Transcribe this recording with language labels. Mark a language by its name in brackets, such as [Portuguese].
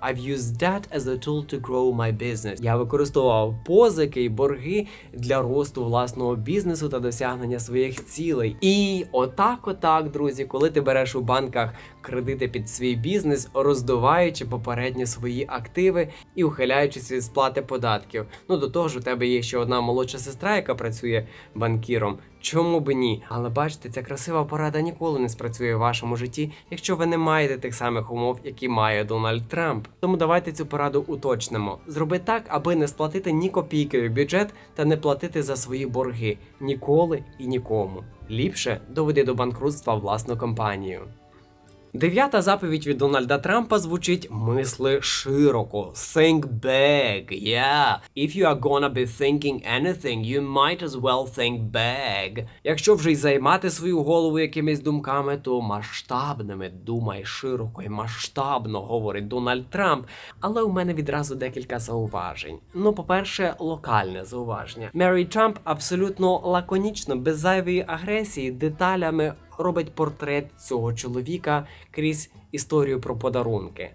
[English] I've used debt as a tool to grow my business. [Ukrainian] Я використовував позики і борги для росту власного бізнесу та досягнення своїх цілей. І отак, друзі, коли ти береш у банках кредити під свій бізнес, роздуваючи попередні свої активи і ухиляючись від сплати податків. До того ж, у тебе є ще одна молодша сестра, яка працює банкіром. Чому б ні? Але бачите, ця красива порада ніколи не спрацює в вашому житті, якщо ви не маєте тих самих умов, які має Дональд Трамп. Тому давайте цю пораду уточнимо. Зроби так, аби не сплатити ні копійки в бюджет та не платити за свої борги. Ніколи і нікому. Ліпше доведи до банкрутства власну компанію. Дев'ята заповідь від Дональда Трампа звучить: мисли широко. [English] Think big, yeah. If you are gonna be thinking anything, you might as well think big. [Ukrainian] Якщо вже й займати свою голову якимись думками, то масштабними. Думай широко і масштабно, говорить Дональд Трамп. Але у мене відразу декілька зауважень. По-перше, локальне зауваження. Мері Трамп абсолютно лаконічно, без зайвої агресії, деталями робить портрет цього чоловіка крізь історію про подарунки.